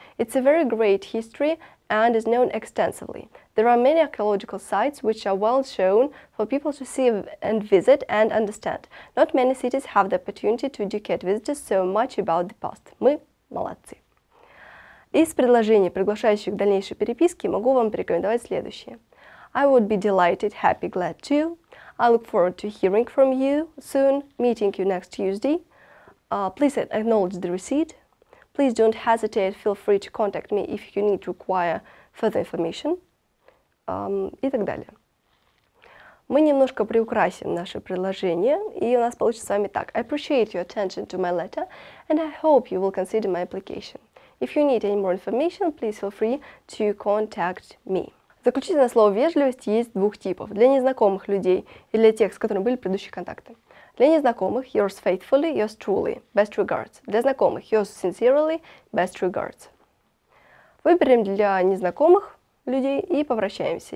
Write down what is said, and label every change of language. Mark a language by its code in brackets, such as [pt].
[en] It's a very great history and is known extensively. There are many archaeological sites which are well shown for people to see and visit and understand. Not many cities have the opportunity to educate visitors so much about the past. [ru] Мы молодцы. Из предложений, приглашающих к дальнейшей переписке, могу вам порекомендовать следующее. [en] I would be delighted, happy, glad to. I look forward to hearing from you soon, meeting you next Tuesday. Please acknowledge the receipt. Please don't hesitate, feel free to contact me if you need to require further information. [ru] И так далее. Мы немножко приукрасим наше предложение, и у нас получится с вами так. [en] I appreciate your attention to my letter, and I hope you will consider my application. If you need any more information, please feel free to contact me. [ru] Заключительное слово «вежливость» есть двух типов. Для незнакомых людей и для тех, с которыми были предыдущие контакты. Для незнакомых [en] – yours faithfully, yours truly, best regards. [ru] Для знакомых [en] – yours sincerely, best regards. [ru] Выберем для незнакомых людей и попрощаемся.